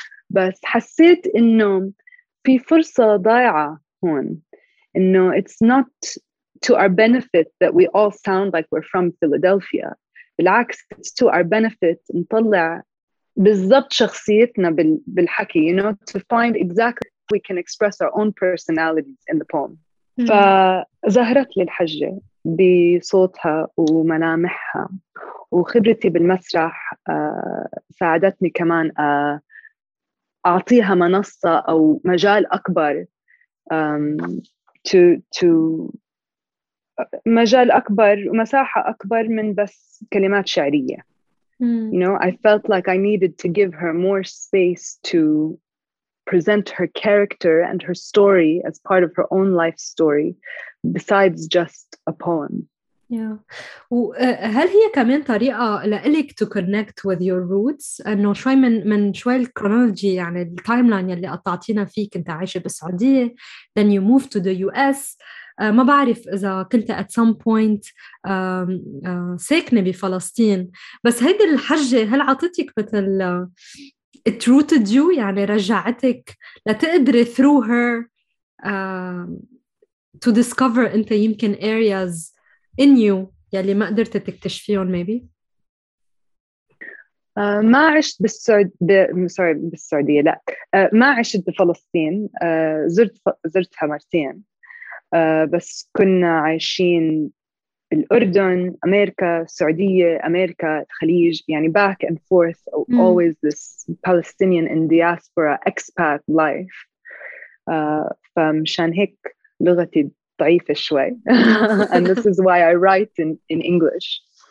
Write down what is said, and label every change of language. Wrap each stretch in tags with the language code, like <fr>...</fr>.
<ar>بس حسيت إنه في فرصة ضايعة هون إنه</ar> <en>it's not to our benefit that we all sound like we're from Philadelphia. بالعكس, it's to our benefit</en> <ar>نطلع بالضبط شخصيتنا بالحكي,</ar> <en>you know, to find exactly how we can express our own personalities in the poem.</en> <ar>فظهرت لي الحجة بصوتها وملامحها وخبرتي بالمسرح ساعدتني كمان أعطيها منصة أو مجال أكبر to مجال أكبر ومساحة أكبر من بس كلمات شعرية.</ar> <en>You know, I felt like I needed to give her more space to present her character and her story as part of her own life story besides just a poem. Yeah.</en> <ar>وهل هي كمان طريقة لإلك</ar> <en>to connect with your roots؟</en> <ar>أنه شوي من شوي الكرونولوجي يعني التايملاين يلي قطعتينا فيه كنت عايشة بالسعودية</ar> <en>then you moved to the US</en> <ar>ما بعرف إذا كنت</ar> <en>at some point</en> <ar>ساكنة بفلسطين بس هيدي الحجة هل عطتك مثل</ar> <en>it rooted you</en> <ar>يعني رجعتك لتقدري</ar> <en>through her to discover</en> <ar>أنت يمكن</ar> <en>areas in you</en> <ar>يلي ما قدرت تكتشفيهم maybe ما عشت بالسعودية لا ما عشت بفلسطين زرتها مرتين بس كنا عايشين بالأردن أمريكا السعودية أمريكا الخليج يعني</ar> <en>back and forth always this Palestinian in diaspora expat life</en> <ar>فمشان هيك لغتي ضعيفة شوي</ar> <en>and this is why I write in English</en>